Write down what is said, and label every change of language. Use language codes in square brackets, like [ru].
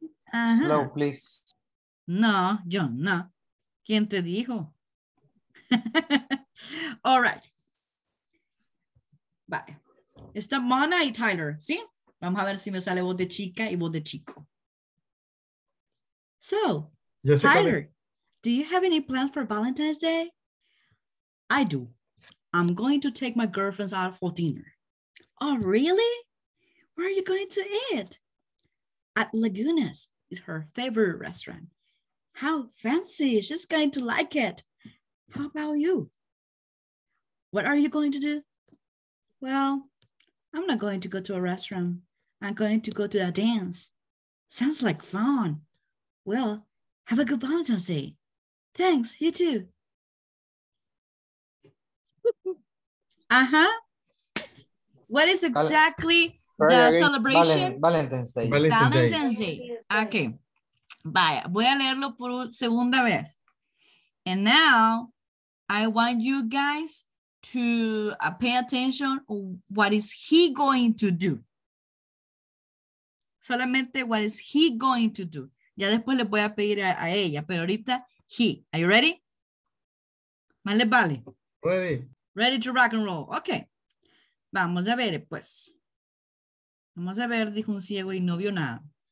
[en] Ajá. Slow, please. [es] No, John, no. ¿Quién te dijo? [en] All right. [es] Bye. Está Mona y Tyler, ¿sí? Vamos a ver si me sale voz de chica y voz de chico. [en] So, Tyler, do you have any plans for Valentine's Day? I do. I'm going to take my girlfriends out for dinner. Oh, really? Where are you going to eat? At Laguna's. It's her favorite restaurant. How fancy. She's going to like it. How about you? What are you going to do? Well, I'm not going to go to a restaurant. I'm going to go to a dance. Sounds like fun. Well, have a good Valentine's Day. Thanks, you too. Uh-huh. What is exactly the celebration? Valentine's Day. [es] Valentine's Day. Okay. Vaya, voy a leerlo por segunda vez. [en] And now, I want you guys to pay attention, what is he going to do? Solamente, what is he going to do? [es] Ya después le voy a pedir a ella, pero ahorita, he. [en] Are you ready? [es] ¿Más les vale? [en] Ready. Ready to rock and roll. Okay. [es] Vamos a ver, pues. Vamos a ver, dijo un ciego y no vio nada.